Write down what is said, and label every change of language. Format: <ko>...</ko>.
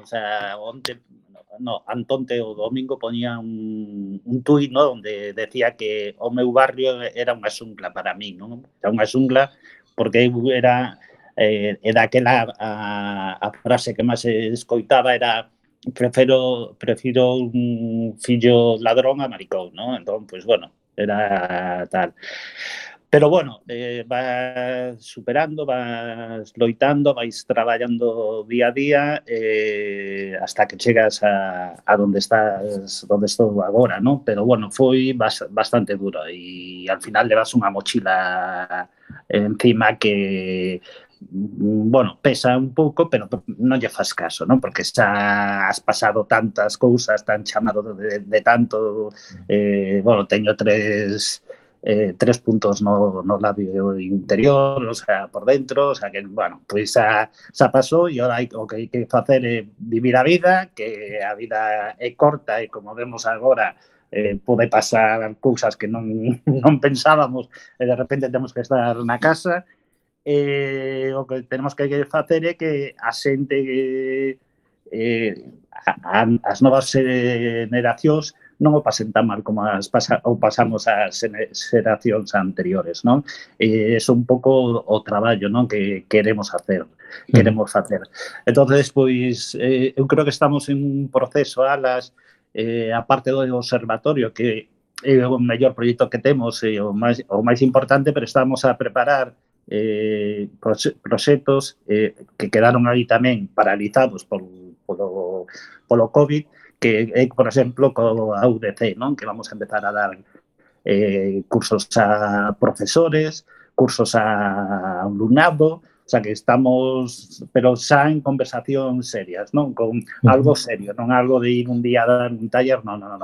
<gl>O sea, Antonte o domingo ponía un tuit, ¿no? Donde decía que o meu barrio era unha xungla para mí, ¿no? Era unha xungla porque era daquela a frase que máis escoitaba era prefiro un fillo ladrón a maricón, ¿no? Entón, pues bueno, era tal. Pero bueno, vas superando, vas loitando, vais traballando día a día hasta que chegas a donde estás, donde estou agora, ¿no? Pero bueno, foi bastante duro e al final levas unha mochila encima que, bueno, pesa un pouco, pero non lle fas caso, ¿no? Porque xa has pasado tantas cousas, tan chamado de tanto, bueno, teño tres puntos no labio interior, o sea, por dentro, o sea que, bueno, pues xa pasó</gl> <es>y ahora lo que hay que hacer es vivir la vida, que la vida es corta y como vemos ahora, puede pasar cosas que no pensábamos, de repente tenemos que estar en la casa, lo que tenemos que hacer es que a gente, a las nuevas generaciones,</es> <gl>non o pasen tan mal como pasamos as xeracións anteriores, non? É un pouco o traballo, non, que queremos facer. Entón, pois, eu creo que estamos en un proceso, Alas, a parte do observatorio, que é o mellor proxecto que temos, o máis importante, pero estamos a preparar proxectos que quedaron aí tamén paralizados polo COVID, que é, por exemplo, co AUDC, non? Que vamos a empezar a dar cursos a profesores, cursos a alumnado, o sea que estamos, pero xa en conversación serias, non? Con algo serio, non algo de ir un día a dar un taller, non.</gl>